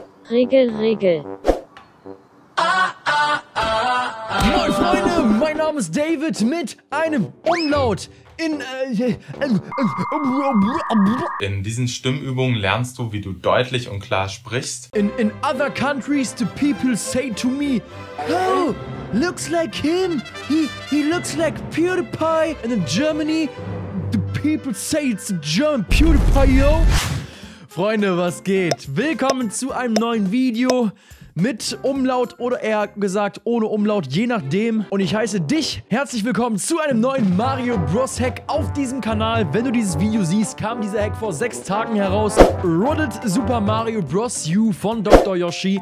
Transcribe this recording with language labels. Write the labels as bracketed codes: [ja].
[de] Regel. Moin, Freunde, mein Name ist David mit einem Umlaut In diesen Stimmübungen lernst du, wie du deutlich und klar sprichst. [en] In other countries, the people say to me, oh, looks like him, he looks like PewDiePie. And in Germany, the people say it's German PewDiePie, yo. [de] Freunde, was geht? Willkommen zu einem neuen Video. Mit Umlaut oder eher gesagt ohne Umlaut, je nachdem. Und ich heiße dich herzlich willkommen zu einem neuen Mario Bros. Hack auf diesem Kanal. Wenn du dieses Video siehst, kam dieser Hack vor 6 Tagen heraus. Wooded Super Mario Bros. U von Dr. Yoshi.